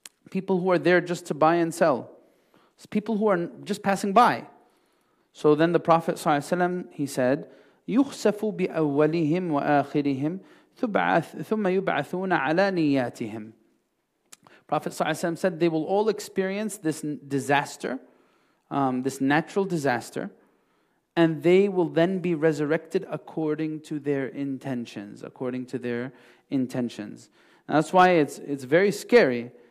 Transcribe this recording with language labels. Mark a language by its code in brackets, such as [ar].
[en] People who are there just to buy and sell. It's people who are just passing by. So then the Prophet ﷺ, he said, [ar] يُخْسَفُ بِأَوَّلِهِمْ وَآخِرِهِمْ ثُمَّ يُبْعَثُونَ عَلَى نِيَّاتِهِمْ. [en] Prophet ﷺ said they will all experience this disaster, this natural disaster, and they will then be resurrected according to their intentions. According to their intentions. Now, that's why it's very scary.